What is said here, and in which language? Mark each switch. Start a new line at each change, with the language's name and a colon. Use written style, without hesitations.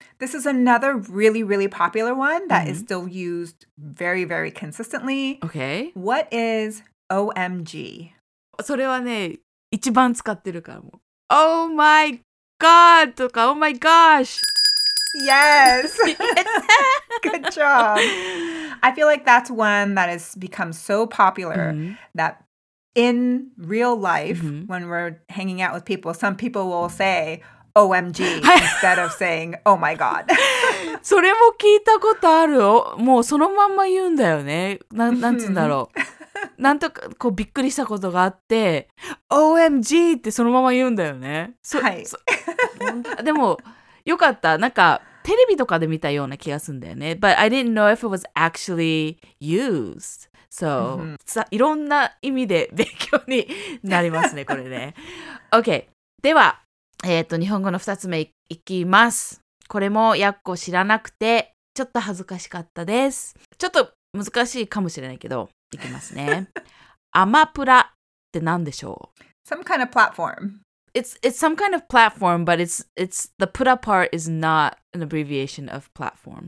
English: This is another really, really popular one that is still used very, very consistently. Okay. What is OMG?
Japanese: それはね、一番使ってるからも。
English: Oh my god! とか、oh my gosh! Yes! Good job! I feel like that's one that has become so popular that in real life, when we're hanging out with people, some people will say,OMG instead of saying Oh my God.
Japanese: それも聞いたことある。もうそのまんま言うんだよね。なんつんだろう。なんとかこうびっくりしたことがあって、OMG ってそのまま言うんだよね。はい。でもよかった。なんかテレビとかで見たような気がするんだよね。
English: But I didn't know if it was actually used. So,、mm-hmm.
Japanese: いろんな意味で勉強になりますね、これね。 OK。では、日本語の2つ目いきます。これもやっこ知らなくて、ちょっと恥ずかしかったです。ちょっと難しいかもしれないけど、いきますね。アマプラって何でしょう?
English: Some kind of platform. It's some kind of platform, but it's the pura part is not an abbreviation of platform.